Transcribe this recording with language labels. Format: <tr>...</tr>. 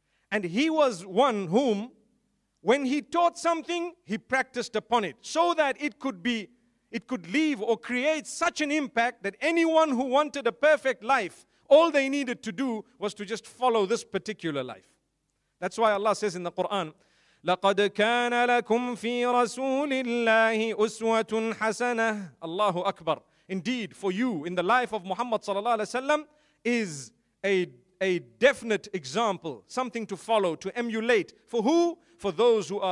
<en>And he was one whom, when he taught something, he practiced upon it, so that it could leave or create such an impact that anyone who wanted a perfect life, all they needed to do was to just follow this particular life. That's why Allah says in the Quran,</en> <ar>لَقَدْ كَانَ لَكُمْ فِي رَسُولِ اللَّهِ أُسْوَةٌ حَسَنَةٌ. Allahu Akbar.</ar> <en>Indeed, for you in the life of Muhammad sallallahu alaihi wasallam is a definite example, something to follow, to emulate. For who? For those who are</en>